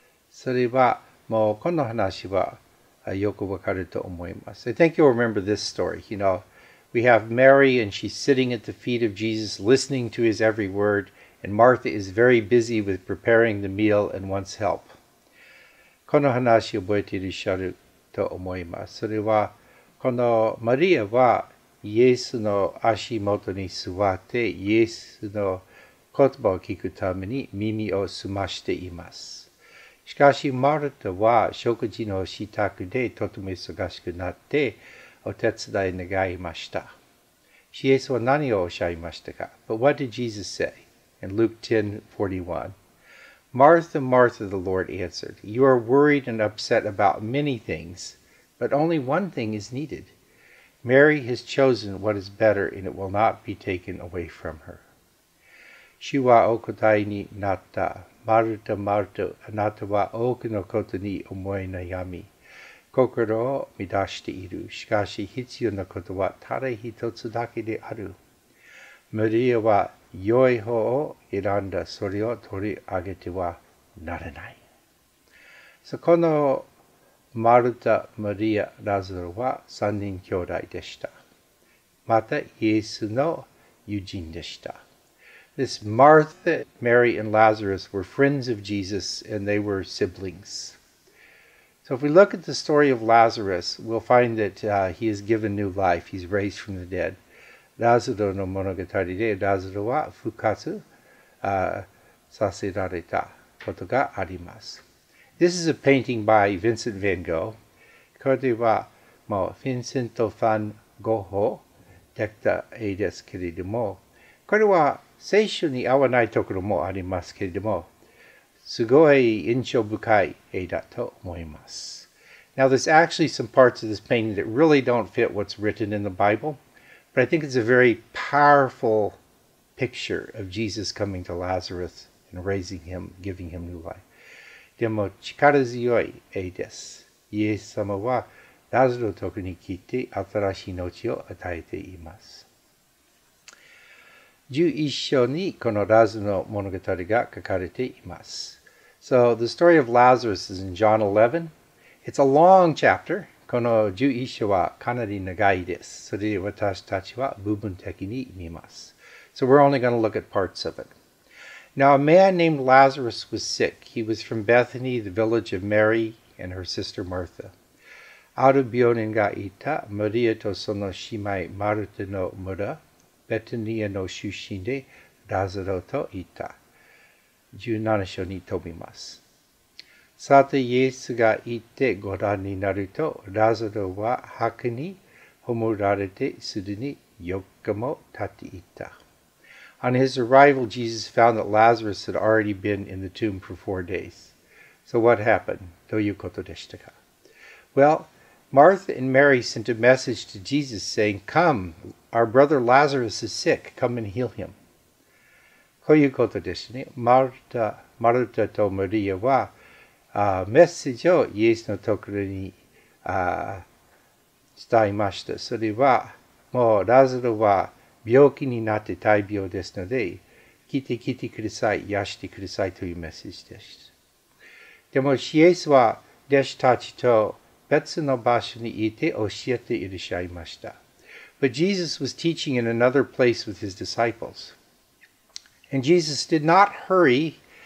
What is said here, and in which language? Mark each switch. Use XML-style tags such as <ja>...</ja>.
<ja>それは、もうこの話はよくわかると思います。</ja> <en>I think you'll remember this story. You know, we have Mary and she's sitting at the feet of Jesus, listening to his every word, and Martha is very busy with preparing the meal and wants help.</en> <ja>この話を覚えていらっしゃると思います。それは、このマリアはイエスの足元に座ってイエスの言葉を聞くために耳を澄ましています。しかしマルタは食事の支度でとても忙しくなってお手伝い願いました。イエスは何をおっしゃいましたか?</ja> <en>But what did Jesus say? In Luke 10:41, Martha, Martha, the Lord answered, You are worried and upset about many things, but only one thing is needed. Mary has chosen what is better, and it will not be taken away from her.</en> <ja>主はお答えになった。マルタ、マルタ、あなたは多くのことに思い悩み、心を乱している。しかし必要なことはただ一つだけである。マリアは良い方を選んだ。それを取り上げてはならない。そこのマルタ、マリア、ラザロは三人兄弟でした。またイエスの友人でした。</ja> <en>This Martha, Mary, and Lazarus were friends of Jesus, and they were siblings. So if we look at the story of Lazarus, we'll find that he is given new life. He's raised from the dead.</en> <ja>ラザロの物語でラザロは復活させられたことがあります。</ja> <en>This is a painting by Vincent van Gogh.</en> <ja>これはもうヴィンセント・ファン・ゴッホできた絵ですけれども、これは聖書に合わないところもありますけれども、すごい印象深い絵だと思います。</ja> <en>Now, there's actually some parts of this painting that really don't fit what's written in the Bible, but I think it's a very powerful picture of Jesus coming to Lazarus and raising him, giving him new life.</en> <ja>でも力強い絵です。イエス様はラザロと共に来て新しい命を与えています。 11章にこのラザロの物語が書かれています。</ja> <en>So the story of Lazarus is in John 11. It's a long chapter.</en> <ja>この11章はかなり長いです。それで私たちは部分的に見ます。</ja> <en>So we're only going to look at parts of it. Now, a man named Lazarus was sick. He was from Bethany, the village of Mary and her sister Martha.</en> <ja>ある病人がいた、マリアとその姉妹マルタの村、ベタニアの出身でラザロといた。 17章に飛びます。さて、イエスが行ってご覧になると、ラザロは墓に葬られてすでに4日も経っていた。</ja> <en>On his arrival, Jesus found that Lazarus had already been in the tomb for 4 days. So what happened?</en> <ja>どういうことでしたか?</ja> <en>Well, Martha and Mary sent a message to Jesus saying, Come, our brother Lazarus is sick. Come and heal him.</en> <ja>こういうことでしたね。マルタとマリアは、メッセージをイエスのところに、伝えました。それは、もうラザロは、病気になって大病ですので、来て来てください、癒してくださいというメッセージです。でも、イエスは弟子たちと別の場所にいて教えていらっしゃいました。</ja> <en>But Jesus was teaching in another place with his disciples. And Jesus did not hurry</en>